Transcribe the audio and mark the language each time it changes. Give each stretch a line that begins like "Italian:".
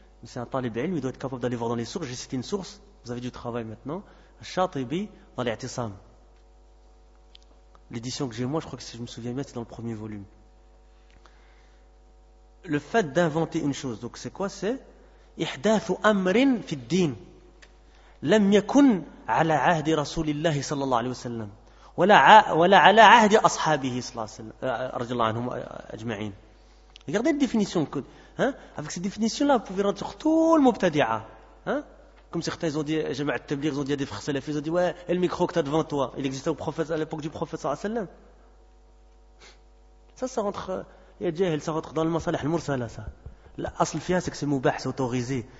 French: C'est un talib ilm, il doit être capable d'aller voir dans les sources. J'ai cité une source, vous avez du travail maintenant. Shatibi dans l'I'tisam. L'édition que j'ai moi, je crois que si je me souviens bien, c'est dans le premier volume. Le fait d'inventer une chose, donc c'est quoi? C'est...
Arabic: ihdathu amrin fi din. لم يكن على عهد رسول الله صلى الله عليه وسلم ولا على عهد أصحابه صلى الله عليه وسلم رضي الله عنهم أجمعين.
French: Regardez la définition. Avec cette définition-là, vous pouvez rendre sur tout le mubtadi'a. Comme certains ont dit, j'ai mis à tablir, ils ont dit, il y a des frères salafis, ils ont dit, ouais, et le micro que tu as devant toi, il existait au prophète, à l'époque du prophète sallallahu alayhi wa sallam. Ça rentre, il y a djahil, ça rentre dans le masalah al-mursala, ça. L'asl fiha, c'est que c'est mubah, c'est autorisé.